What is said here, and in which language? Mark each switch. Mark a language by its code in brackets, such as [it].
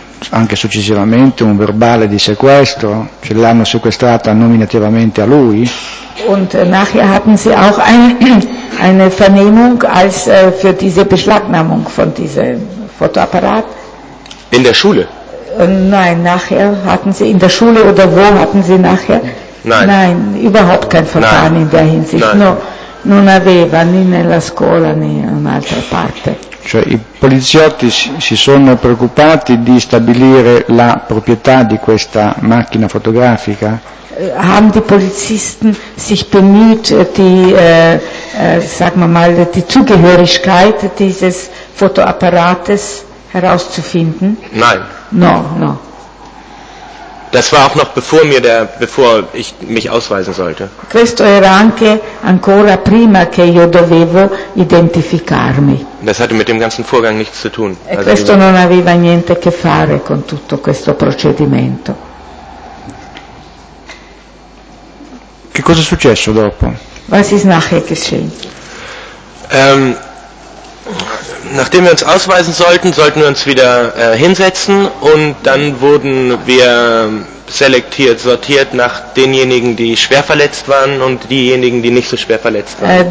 [it] anche successivamente un verbale di sequestro, ce l'hanno sequestrata nominativamente a lui. [de] Und nachher hatten sie auch eine Vernehmung als für diese Beschlagnahmung von diesem Fotoapparat. In der Schule? Nein, nachher hatten sie in der Schule oder wo hatten sie nachher? Nein. Nein, überhaupt kein Verfahren Nein. in der Hinsicht. [it] No, non aveva né nella scuola né in un'altra parte. Cioè i poliziotti si sono preoccupati di stabilire la proprietà di questa macchina fotografica? [de] Haben die Polizisten sich bemüht, die, sagen wir mal, die Zugehörigkeit dieses Fotoapparates herauszufinden? Nein. [it] No, no. [de] Das war auch noch bevor mir der, bevor ich mich ausweisen sollte. [it] Questo era anche ancora prima che io dovevo identificarmi. [de] Das hatte mit dem ganzen Vorgang nichts zu tun. [it] E questo non aveva niente che fare con tutto questo procedimento. Che cosa è successo dopo? [de] Was ist nachher geschehen? Nachdem wir uns ausweisen sollten, sollten wir uns wieder hinsetzen und dann wurden wir selektiert, sortiert nach denjenigen, die schwer verletzt waren und diejenigen, die nicht so schwer verletzt waren.